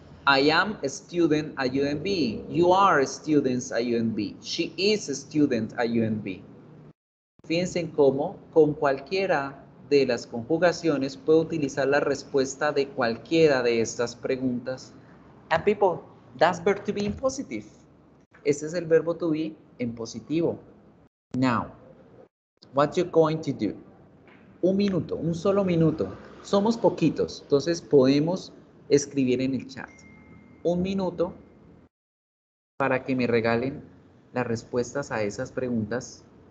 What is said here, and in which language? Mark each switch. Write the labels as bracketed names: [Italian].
[English] I am a student at UNB. You are students at UNB. She is a student at UNB. [Spanish] Fíjense en cómo con cualquiera de las conjugaciones puedo utilizar la respuesta de cualquiera de estas preguntas. [English] And people, that's verb to be in positive. [Spanish] Ese es el verbo to be en positivo. [English] Now, what you're going to do? [Spanish] Un minuto, un solo minuto. Somos poquitos, entonces podemos escribir en el chat. Un minuto para que me regalen las respuestas a esas preguntas.